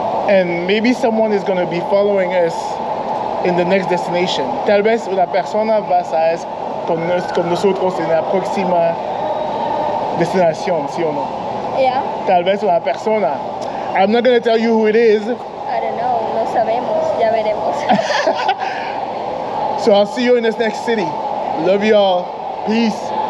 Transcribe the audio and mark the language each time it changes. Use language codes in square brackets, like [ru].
[en] And maybe someone is going to be following us in the next destination. [es] Tal vez una persona va a ser con nosotros en la próxima destinación, ¿sí o no? [en] Yeah. [es] Tal vez una persona. [en] I'm not going to tell you who it is. I don't know. [es] No sabemos. Ya veremos. [en] So I'll see you in this next city. Love y'all. Peace.